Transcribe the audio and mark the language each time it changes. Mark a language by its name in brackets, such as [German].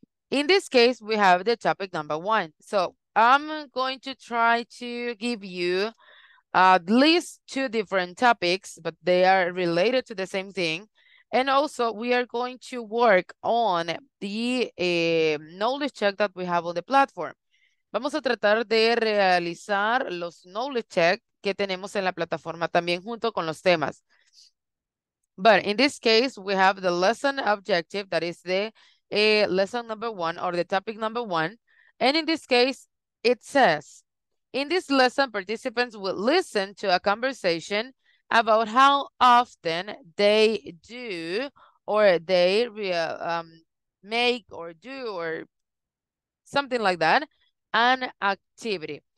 [English] In this case, we have the topic number one. So I'm going to try to give you at least two different topics, but they are related to the same thing. And also, we are going to work on the knowledge check that we have on the platform. [Spanish] Vamos a tratar de realizar los knowledge check que tenemos en la plataforma también junto con los temas. [English] But in this case, we have the lesson objective, that is the lesson number one or the topic number one. And in this case, it says, In this lesson, participants will listen to a conversation about how often they do or they make or do or something like that, an activity.